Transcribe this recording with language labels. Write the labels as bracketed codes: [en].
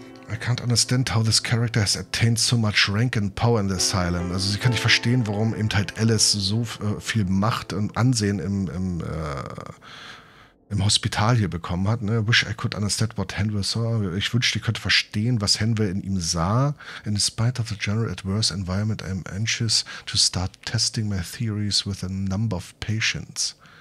[en] I can't understand how this character has attained so much rank and power in the asylum. [de] Also sie kann nicht verstehen, warum eben halt Alice so viel Macht und Ansehen im Hospital hier bekommen hat. [en] Ne? I wish I could understand what Henwell saw. [de] Ich wünschte, ich könnte verstehen, was Henwell in ihm sah. [en] In spite of the general adverse environment, I am anxious to start testing my theories with a number of patients.